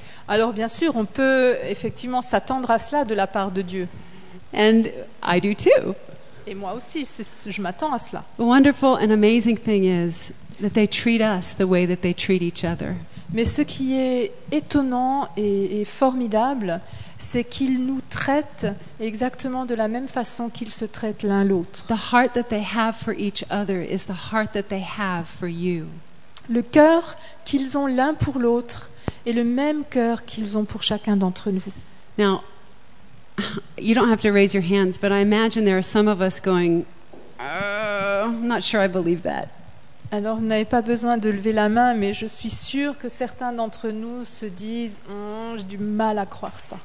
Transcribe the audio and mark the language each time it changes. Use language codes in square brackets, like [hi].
[fr] Alors bien sûr, on peut effectivement s'attendre à cela de la part de Dieu. [en] And I do too. [fr] Et moi aussi, je m'attends à cela. [en] The wonderful and amazing thing is that they treat us the way that they treat each other. [fr] Mais ce qui est étonnant et formidable, c'est qu'ils nous traitent exactement de la même façon qu'ils se traitent l'un l'autre. [en] The heart that they have for each other is the heart that they have for you. [fr] Le cœur qu'ils ont l'un pour l'autre est le même cœur qu'ils ont pour chacun d'entre nous. [en] Now, you don't have to raise your hands, but I imagine there are some of us going, I'm not sure I believe that. [fr] Alors, vous n'avez pas besoin de lever la main, mais je suis sûre que certains d'entre nous se disent, j'ai du mal à croire ça.